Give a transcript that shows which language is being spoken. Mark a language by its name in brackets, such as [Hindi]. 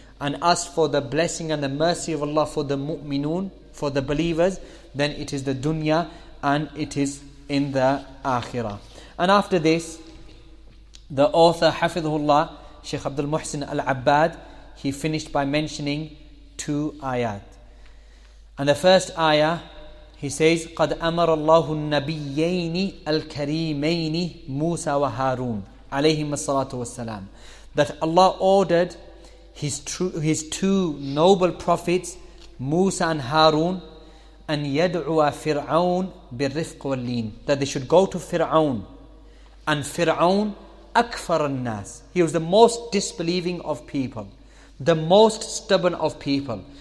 [English] And as for the blessing and the mercy of Allah for the mu'minun, for the believers, then it is the dunya and it is in the akhirah. And after this, the author, Hafidhullah, Shaykh Abdul Muhsin Al-Abbad, he finished by mentioning two ayat. And the first ayah, He says, [Arabic] قَدْ أَمَرَ اللَّهُ النَّبِيَّيْنِ الْكَرِيمَيْنِ مُوسَى وَهَارُونَ عَلَيْهِمَ الصَّلَاةُ وَالسَّلَامُ. [English] That Allah ordered his two noble prophets, Musa and Harun, [Arabic] أَنْ يَدْعُوَ فِرْعَوْنَ بِالرِّفْقِ وَاللِّينِ. [English] That they should go to Fir'aun. And Fir'aun, [Arabic] أَكْفَرَ النَّاسِ. [English] He was the most disbelieving of people, the most stubborn of people.